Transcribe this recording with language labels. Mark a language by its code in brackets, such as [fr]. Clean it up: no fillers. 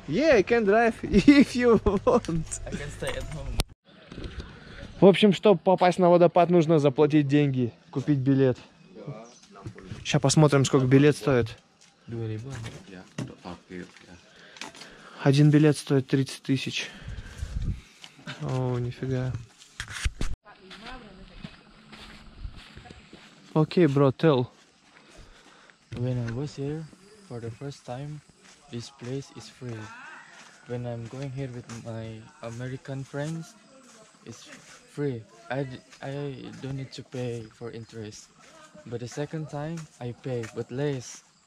[en] Yeah, I can drive if you want. I can stay at home. [ru] В общем, чтобы попасть на водопад, нужно заплатить деньги, купить билет. Сейчас посмотрим, сколько билет стоит. Один билет стоит 30 тысяч. О, нифига. Окей, бро, tell. [en] When I was here for the first time, this place is free. When I'm going here with my American friends, it's free. I don't need to pay for interest. But the second time, I pay, but less.